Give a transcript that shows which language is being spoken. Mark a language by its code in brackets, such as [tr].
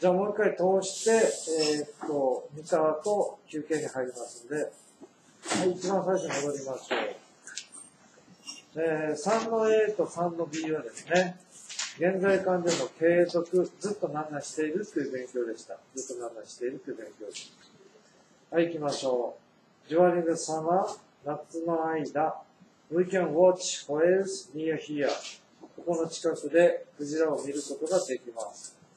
[ja] じゃあもう一回通して、見た後、休憩に入りますんで。はい、一番最初に戻りましょう。3の A と3の B はですね、現在完了の継続、ずっと何々しているという勉強でした。ずっと何々しているという勉強です。はい、行きましょう。 [en] During the summer, [ja] 夏の間、 [en] we can watch whales near here. [ja] ここの近くでクジラを見ることができます。